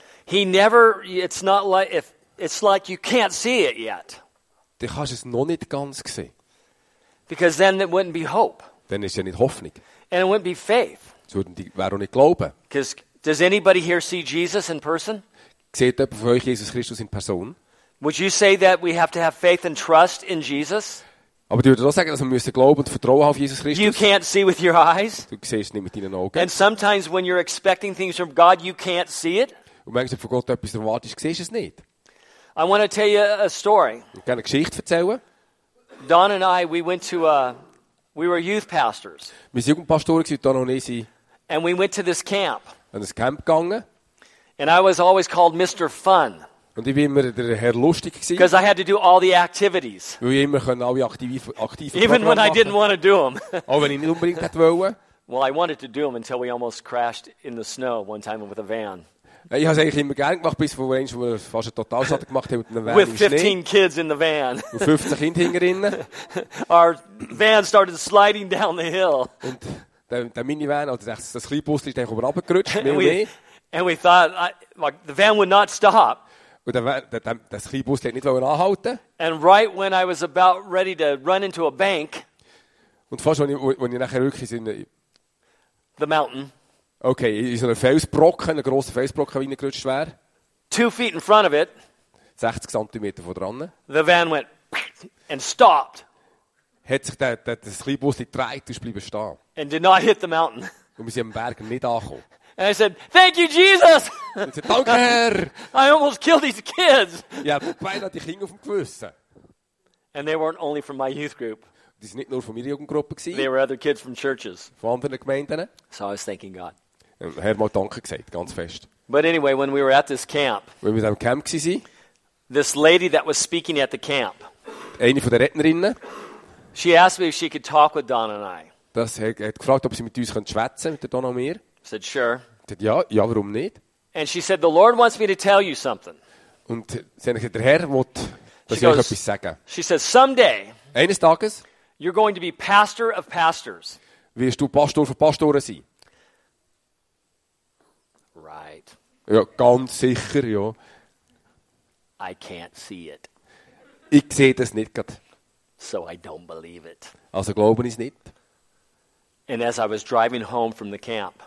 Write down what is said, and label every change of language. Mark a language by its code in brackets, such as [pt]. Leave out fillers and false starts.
[en] He never, it's not like, if, it's like you can't see it yet. [de] Du kannst es noch nicht ganz sehen. [en] Because then it wouldn't be hope. [de] Dann ist es ja nicht Hoffnung. [en] And it wouldn't be faith. [de] Es wäre auch nicht Glauben. [en] Because does anybody here see Jesus in person? [de] Seht jemand von euch Jesus Christus in Person? [en] Would you say that we have to have faith and trust in Jesus? [de] Aber du würdest auch sagen, dass wir müssen glauben und vertrauen auf Jesus Christus. [en] You can't see with your eyes. [de] Du siehst nicht mit deinen Augen. [en] And sometimes when you're expecting things from God, you can't see it. [de] Und manchmal, wenn du von Gott etwas erwartest, siehst du es nicht. [en] I want to tell you a story. [de] Ich kann eine Geschichte erzählen. [en] Don and I, we went to we were youth pastors. [de] Wir waren Jugendpastoren, Don und ich. [en] And we went to this camp. [de] An das Camp gegangen. [en] And I was always called Mr. Fun. [de] Und ich bin immer der Herr Lustig gewesen. [en] Because I had to do all the activities. [de] Weil ich immer können alle aktiv machen. [en] Even when I didn't want to do them. [de] Auch wenn ich nicht unbedingt hätte wollen. [en] Well, I wanted to do them until we almost crashed in the snow one time with a van. [de] Ich habe es eigentlich immer gerne gemacht, bis vor eins, wo wir fast einen Totalschaden gemacht haben mit einem Van [en] with [de] im Schnee. [en] 15 kids in the van. [de] Und 15 Kinder hinterinnen. [en] Our van started sliding down the hill. [de] Und der Minivan, also das Kleinbus, ist einfach runtergerutscht, mehr und mehr. [en] And we thought, like, the van would not stop. [de] Und das Kleinbus hat nicht wollen anhalten. [en] And right when I was about ready to run into a bank. [de] Und fast, wenn ich nachher wirklich in [en] the mountain. [de] Okay, in so einer Felsbrocken, einen grossen Felsbrocken reingerutscht wäre. [en] 2 feet in front of it. [de] 60 cm von dran. [en] The van went and stopped. [de] Hat sich das Kleinbus gedreht und ist bleiben stehen. [en] And did not hit the mountain. [de] Und wir sind am Berg nicht angekommen. [en] And I said, thank you, Jesus. [de] Und sie sagte, danke, Herr. [en] I almost killed these kids. [de] Ja, beide hatten die Kinder auf dem Gewissen. [en] And they weren't only from my youth group. [de] Die sind nicht nur von meiner Jugendgruppe gewesen. [en] They were other kids from churches. [de] Von anderen Gemeinden. [en] So I was thanking God. [de] Herr mal danke gesagt, ganz fest. [en] But anyway, when we were at this camp. [de] Wenn wir in diesem Camp gewesen sind. [en] This lady that was speaking at the camp. [de] Eine von den Rednerinnen. [en] She asked me if she could talk with Don and I. [de] Das hat gefragt, ob sie mit uns schwätzen, mit der Don und mir. [en] Said sure. Said, [de] ja, warum nicht? [en] And she said the Lord wants me to tell you something. [de] Und sie hat gesagt, der Herr will, dass ich euch etwas sagen. [en] She says someday. [de] Eines Tages. [en] You're going to be pastor of pastors. [de] Wirst du Pastor von Pastoren sein? [en] Right. [de] Ja, ganz sicher, ja. [en] I can't see it. [de] Ich sehe das nicht gerade. [en] So I don't believe it. [de] Also glaube ich es nicht. [en] And as I was driving home from the camp,